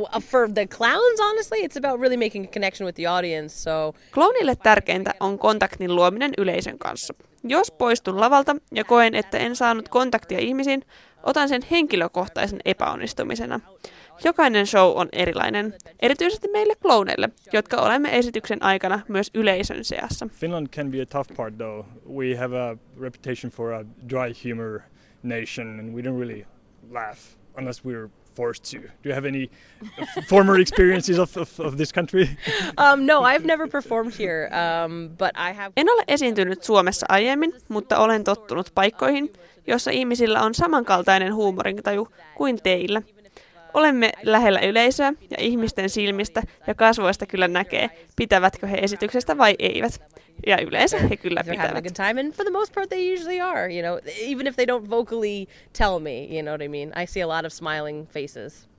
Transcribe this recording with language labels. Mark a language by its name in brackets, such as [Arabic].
[English] For the clowns, honestly, it's about really making a connection with the audience. So [Finnish] klounille tärkeintä on kontaktin luominen yleisön kanssa. Jos poistun lavalta ja koen, että en saanut kontaktia ihmisiin, otan sen henkilökohtaisen epäonnistumisena. Jokainen show on erilainen, erityisesti meille klooneille, jotka olemme esityksen aikana myös yleisön seassa. [English] Finland can be a tough part though. We have a reputation for a dry humor nation and we don't really laugh unless we're forced to. Do you have any former experiences of this country? No, I've never performed here, but I have. [Finnish] En ole esiintynyt Suomessa aiemmin, mutta olen tottunut paikkoihin, jossa ihmisillä on samankaltainen huumorintaju kuin teillä. Olemme lähellä yleisöä ja ihmisten silmistä ja kasvoista kyllä näkee, pitävätkö he esityksestä vai eivät. Ja yleensä he kyllä pitävät. [English] And for the most part they usually are, you know, even if they don't vocally tell me, you know what I mean? I see a lot of smiling faces.